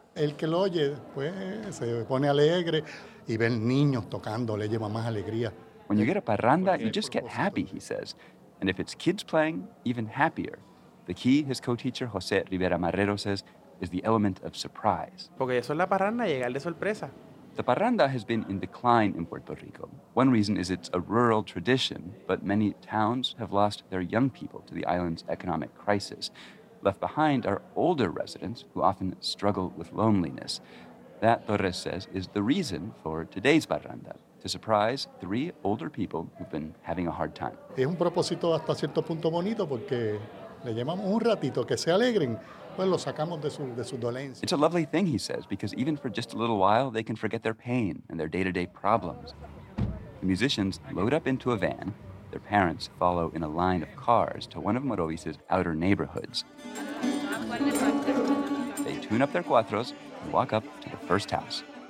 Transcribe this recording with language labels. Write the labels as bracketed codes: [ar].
[es] El que lo oye, pues, se pone alegre y ve niños tocando, le lleva más alegría. [en] When you get a parranda, you just get happy, he says. And if it's kids playing, even happier. The key, his co-teacher Jose Rivera Marrero says, is the element of surprise. [es] Porque eso es la parranda, llegar de sorpresa. [en] The parranda has been in decline in Puerto Rico. One reason is it's a rural tradition, but many towns have lost their young people to the island's economic crisis. Left behind are older residents who often struggle with loneliness. That, Torres says, is the reason for today's parranda, to surprise three older people who've been having a hard time. [es] Es un propósito hasta cierto punto bonito porque le llamamos un ratito que se alegren. [en] It's a lovely thing, he says, because even for just a little while, they can forget their pain and their day-to-day problems. The musicians load up into a van. Their parents follow in a line of cars to one of Morovis's outer neighborhoods. They tune up their cuatros and walk up to the first house.